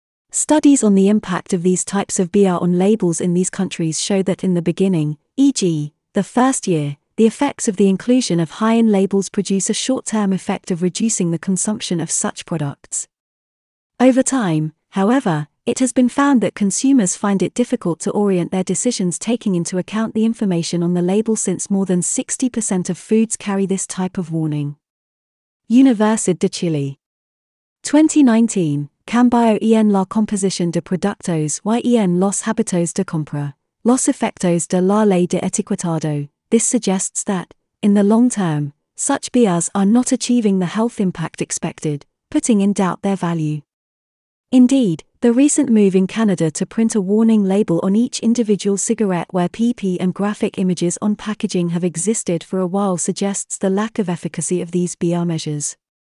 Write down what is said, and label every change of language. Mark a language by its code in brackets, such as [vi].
[en] Studies on the impact of these types of BR on labels in these countries show that in the beginning, e.g., the first year, the effects of the inclusion of high-end labels produce a short-term effect of reducing the consumption of such products. Over time, however, it has been found that consumers find it difficult to orient their decisions taking into account the information on the label since more than 60% of foods carry this type of warning. [es] Universidad de Chile. 2019. Cambio en la composición de productos y en los hábitos de compra, los efectos de la ley de etiquetado. [en] This suggests that, in the long term, such BRs are not achieving the health impact expected, putting in doubt their value. Indeed, the recent move in Canada to print a warning label on each individual cigarette where PP and graphic images on packaging have existed for a while suggests the lack of efficacy of these BR measures.